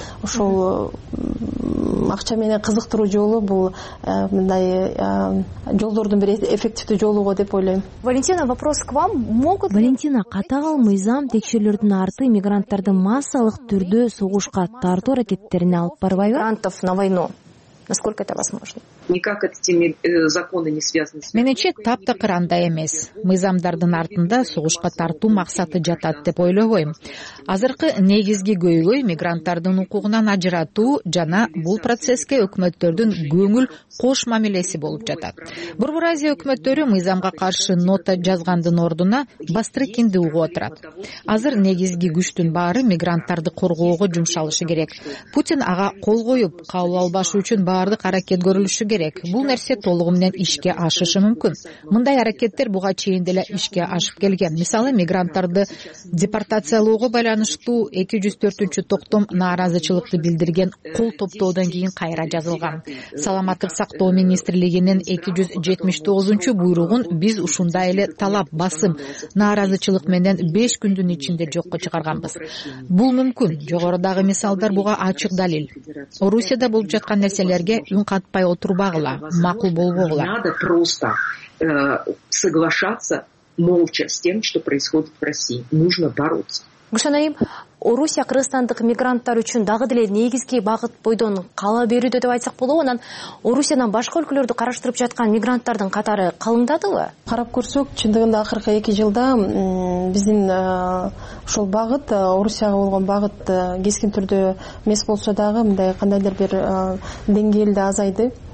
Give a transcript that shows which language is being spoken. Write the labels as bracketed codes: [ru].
[ky] Ошол акча менен кызыктыруу жолу бул мындай жолдордун бир эффективдүү жолуго деп ойлойм. [ru] Валентина, вопрос к вам. Могут [ky] Валентина, катаал мыйзам текшерүүлөрдүн арты мигранттарды массалык түрдө согушка тартуу аракеттерине алып барбайбы? [ru] Мигрантов на войну. Насколько это возможно? Никак эти законы не связаны с. [ky] Менече таптакыр андай эмес. Мыйзамдардын артында согушка тартуу максаты жатат деп ойлобойм. Азыркы негизги көйгөй мигранттардын укугунан ажыратуу жана бул процесске өкмөттөрдүн көңүл кош мамилеси болуп жатат. Борбор Азия өкмөттөрү мыйзамга каршы нота жазгандын ордуна Бастрыкинди угуп отурат. Азыр негизги күчтүн баары мигранттарды коргоого жумшалышы керек. Путин ага кол коюп, кабыл албашы үчүн баардык аракет көрүлүшү керек. Бул нерсе толугу менен ишке ашышы мүмкүн. Мындай аракеттер буга чейин деле ишке ашып келген. Мисалы, мигранттарды депортациялоого байланыштуу 204-чү токтом нааразычылыкты билдирген кол топтоодон кийин кайра жазылган. Саламаттык сактоо министрлигинин 279-чү буйругун биз ушундай эле талап, басым, нааразычылык менен 5 күндүн ичинде жокко чыгарганбыз. Бул мүмкүн. Жогорудагы мисалдар буга ачык далил. Орусияда болуп жаткан нерселерге үн катпай отурбагыла, макул болбогула. [ru] Надо просто соглашаться молча с тем, что происходит в России. Нужно бороться. [ky] Гүлшан айым, Орусия кыргызстандык мигранттар үчүн дагы деле негизги багыт бойдон кала берүүдө деп айтсак болобу? Анан Орусиядан башка өлкөлөрдү караштырып жаткан мигранттардын катары калыңдадыбы? Карап көрсөк, чындыгында акыркы 2 жылда биздин ушул багыт, Орусияга болгон багыт кескин түрдө эмес болсо дагы мындай кандайдыр бир деңгээлде азайды.